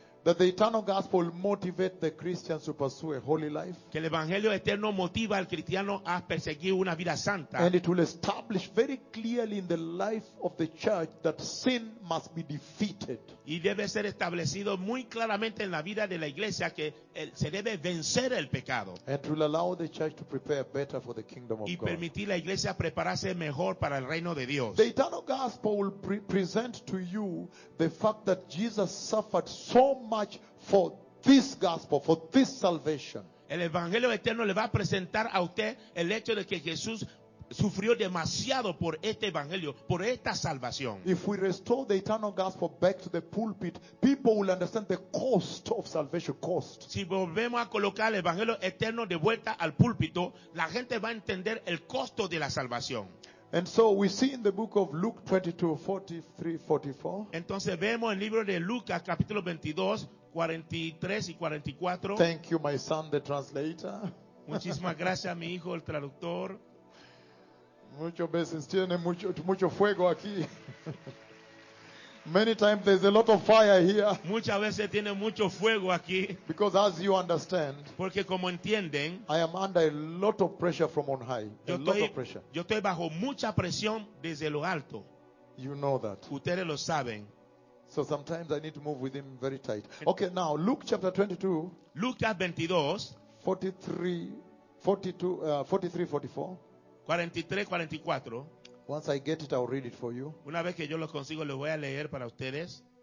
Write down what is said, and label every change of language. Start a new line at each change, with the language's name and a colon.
English: That the eternal gospel motivate the Christians to pursue a holy life.
Spanish: Que el evangelio eterno motiva al cristiano a perseguir una vida santa.
English: And it will establish very clearly in the life of the church that sin must be defeated.
Spanish: Y debe ser establecido muy claramente en la vida de la iglesia que se debe vencer el pecado.
English: And it will allow the church to prepare better for the kingdom of God.
Spanish: Y permitir la iglesia prepararse mejor para el reino de Dios.
English: The eternal gospel will present to you the fact that Jesus suffered so much for this gospel, for this salvation.
Spanish: El evangelio eterno le va a presentar a usted el hecho de que Jesús sufrió demasiado por este evangelio, por esta salvación.
English: If we restore the eternal gospel back to the pulpit, people will understand the cost of salvation, cost.
Spanish: Si volvemos a colocar el evangelio eterno de vuelta al púlpito, la gente va a entender el costo de la salvación.
English: And so we see in the book of Luke 22:43-44.
Spanish: Entonces vemos en el libro de Lucas capítulo 22:43-44.
English: Thank you, my son, the translator.
Spanish: Muchísimas gracias, mi hijo, el traductor. Muchas veces tiene mucho fuego aquí.
English: Many times there's a lot of fire here.
Spanish: Muchas veces tiene mucho fuego aquí.
English: Because as you understand,
Spanish: porque como entienden,
English: I am under a lot of pressure from on high.
Spanish: Yo estoy bajo mucha presión desde lo alto.
English: You know that.
Spanish: Ustedes lo saben.
English: So sometimes I need to move with him very tight. Okay, now Luke chapter 22.
Spanish: Lucas 22. 43-44.
English: Once I get it, I'll read it for you.
Spanish: Una vez que yo lo consigo, lo voy a leer para ustedes.